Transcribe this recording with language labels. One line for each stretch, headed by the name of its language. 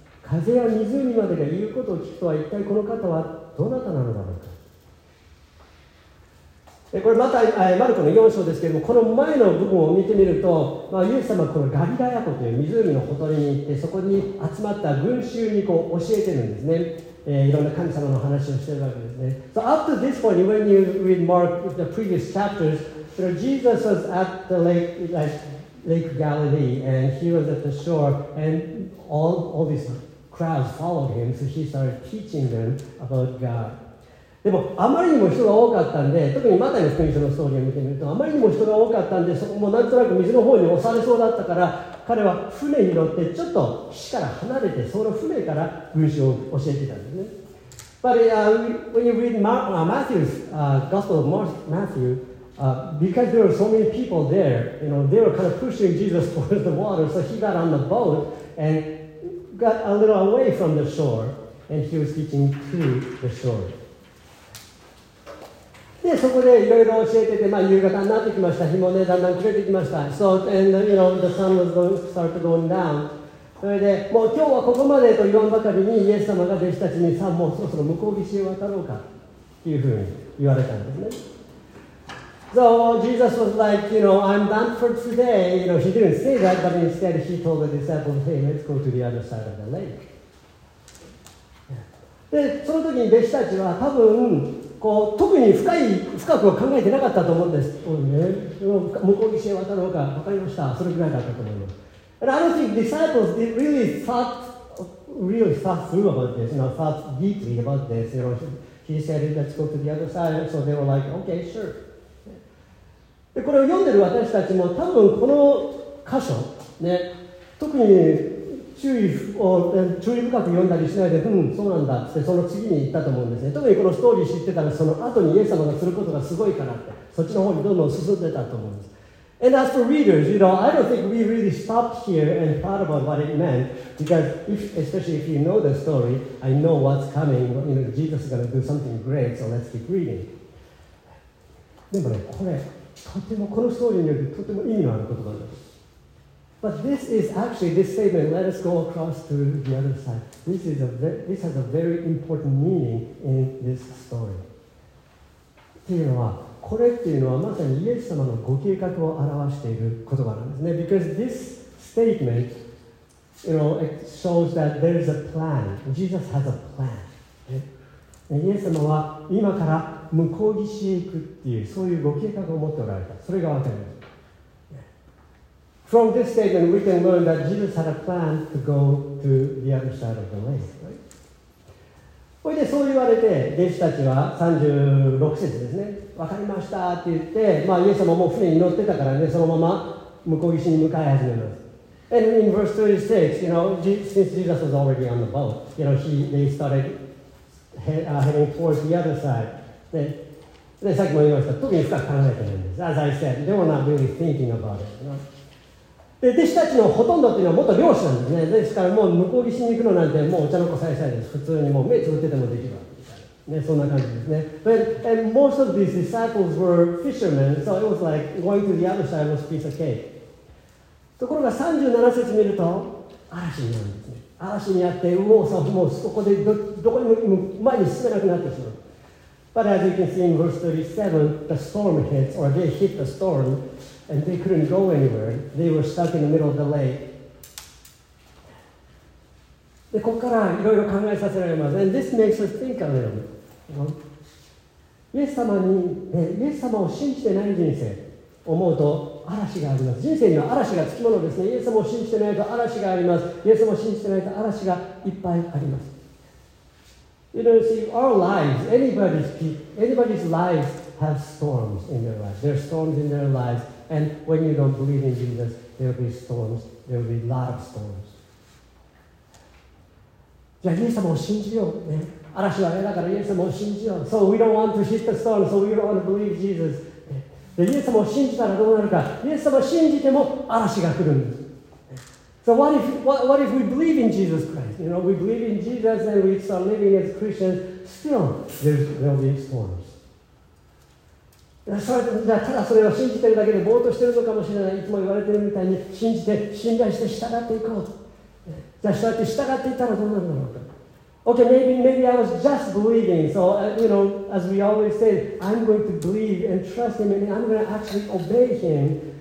Japanese: 風や湖までが言うことを聞くとは、一体この方はどなたなのだろうか。これまたマルコの4章ですけれども、この前の部分を見てみると、まあ、イエス様はこのガリラヤ湖という湖のほとりに行って、そこに集まった群衆にこう教えてるんですね。いろんな神様の話をしているわけですね。
English: So up to this point, when you read Mark the previous chapters, you know, Jesus was at the lake, Lake Galilee, and he was at the shore, and all these crowds followed him, so he started teaching them about God.
Japanese: でもあまりにも人が多かったんで、特にマタイの福音書のストーリーを見てみると、あまりにも人が多かったんで、そこもなんとなく水の方に押されそうだったから、彼は船に乗ってちょっと岸から離れて、その船から群衆を教えていたんですね。
English: But when you read Matthew's Gospel of Matthew, because there were so many people there, you know, they were kind of pushing Jesus towards the water, so he got on the boat and got a little away from the shore, and he was teaching to the shore.
Japanese: でそこでいろいろ教えてて、まあ、夕方になってきました。日もねだんだん暮れてきました。
English: So, and, you know, the sun was going, started going down.
Japanese: それでもう今日はここまでと言わんばかりに、イエス様が弟子たちに、さあもうそろそろ向こう岸へ渡ろうかというふうに言われたんですね。
English: So Jesus was like, you know, I'm done for today. You know, he didn't say that, but instead he told the disciples, hey, let's go to the other side of the lake.
Japanese: でその時に弟子たちは多分こう特に深くは考えてなかったと思うんです。ね、向こう岸へ渡ろうか、分かりました。それぐらいだったと思います。
English: And I don't think disciples really thought through about this, you know, thought deeply about this. You know, he said, let's go to the other side. So they were like, okay, sure.
Japanese: でこれを読んでる私たちも多分この箇所、ね、特に注意深く読んだりしないで、うん、そうなんだって、その次に行ったと思うんですね。特にこのストーリー知ってたら、その後にイエス様がすることがすごいかなって、そっちの方にどんどん進んでたと思うんです。
English: And as for readers, you know, I don't think we really stopped here and thought about what it meant, because if, especially if you know the story, I know what's coming, you know, Jesus is going to do something great, so let's keep reading.
Japanese: でもね、これ、とてもこのストーリーによってとても意味のある言葉です。
English: But this is actually this statement. Let us go across to the other side. This has a very important meaning in this story.
Japanese: というのは、これっていうのはまさにイエス様のご計画を表している言葉なんですね。
English: Because this statement, you know, it shows that there is a plan. Jesus has a plan.、
Japanese: ね、イエス様は今から向こう岸へ行くっていう、そういうご計画を持っておられた。それがわかります。
English: From this statement, we can learn that Jesus had a plan to go to the other side of the lake, right?
Japanese: それでそう言われて、弟子たちは36節ですね。わかりましたって言って、まあ、イエス様もう船に乗ってたからね、そのまま向こう岸に向かい始めます。
English: And in verse 36, you know, since Jesus was already on the boat, you know, they started heading towards the other side.
Japanese: でさっきも言いました、特に深く考えてないんです。
English: As I said, they were not really thinking about it, you know?
Japanese: で弟子たちのほとんどっていうのは元漁師なんですね。ですからもう向こう岸に行くのなんてもうお茶の子さえさえです。普通にもう目つぶっててもできるね、そんな感じですね。
English: But, and most of these disciples were fishermen, so it was like going to the other side was a piece of cake.
Japanese: ところが37節見ると嵐になるんですね。嵐にあってもうここで どこにも前に進めなくなってしまう。
English: But as you can see in verse 37, the storm hits, or they hit the storm,And they couldn't go anywhere. They were stuck in the middle of the lake.
Japanese: で、ここからいろいろ考えさせられます。
English: And this makes us think a little bit.
Japanese: イエス様に、イエス様を信じてない人生を思うと嵐があります。人生には嵐がつきものですね。イエス様を信じてないと嵐があります。イエス様を信じてないと嵐がいっぱいあります。
English: You know, see, our lives, anybody's lives have storms in their lives. There are storms in their lives. And when you don't believe in Jesus, there will be storms. There will be a lot of storms.
Japanese: じゃあ、イエス様を信じよう。ね、嵐はあれだから、イエス様を信じよう。
English: So we don't want to hit the storm, so we don't want to believe Jesus.
Japanese: で、イエス様を信じたらどうなるか。イエス様を信じても嵐が来るんです。
English: So what if we believe in Jesus Christ? You know, we believe in Jesus and we start living as Christians, still there will be storms.
Japanese: それじゃあただそれを信じてるだけでぼーっとしてるのかもしれない。いつも言われてるみたいに信じて信頼して従っていこうと。じゃあ従って従っていったらどうなるんだろうと。
English: Okay, maybe I was just believing. So, you know, as we always say, I'm going to believe and trust him, and I'm going to actually obey him.